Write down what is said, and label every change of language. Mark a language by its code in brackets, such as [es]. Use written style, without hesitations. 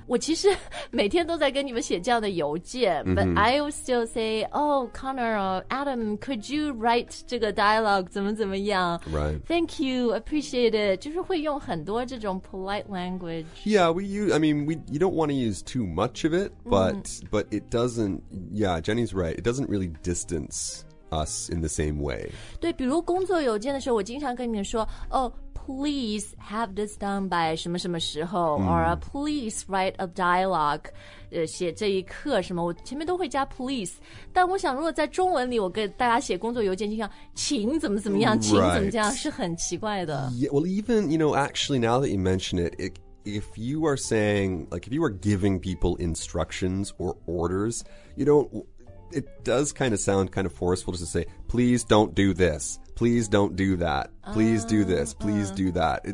[zh] 我其实每天都在跟你们写这样的邮件、 [en] But I will still say Oh Connor, Adam, could you write [zh] 这个 dialogue 怎么怎么样、 [en] right. Thank you, appreciate it [zh] 就是会用很多这种 [en] polite language Yeah, we use, I mean, you don't want to use too much of it but,、but it doesn't Yeah, Jenny's right, it doesn't really distance us in the same way. [zh] 对，比如工作邮件的时候，我经常跟你们说，哦 [en] please have this done by [zh] 什么什么时候、 [en] mm. or please write a dialogue [zh] 写这一课什么我前面都会加 please 但我想如果在中文里我给大家写工作邮件就像请怎么怎么样、 [en] right. [zh] 请怎么这样是很奇怪的 [en] yeah, Well even, you know, actually now that you mention it, if you are saying, like if you are giving people instructions or orders, you don't, it does kind of sound kind of forceful just to say, please don't do this. Please don't do that. Please do this. Please do that.